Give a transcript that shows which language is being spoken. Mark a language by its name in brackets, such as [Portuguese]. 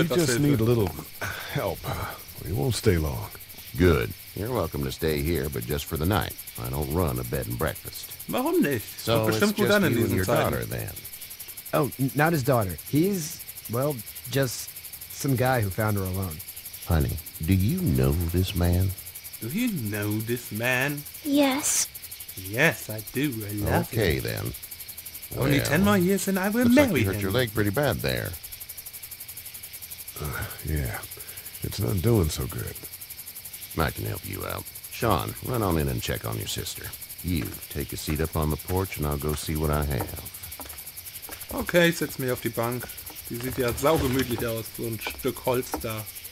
[German] etwas Hilfe. [English] We just need a little help. We won't stay long. Good. You're welcome to stay here, but just for the night. I don't run a bed and breakfast. [German] Warum nicht? [English] So it's just you and your daughter, then. Oh, not his daughter. He's, well, just some guy who found her alone. Honey, do you know this man? Do you know this man? Yes. Yes, I do. I love him. Okay, then. Only 10 more years and I will marry him. You hurt your leg pretty bad there. Yeah, it's not doing so good. I can help you out. Sean, run on in and check on your sister. You take a seat up on the porch and I'll go see what I have. [German] Okay, ich setz mich auf die Bank. Die sieht ja saugemütlich aus, so ein Stück Holz da.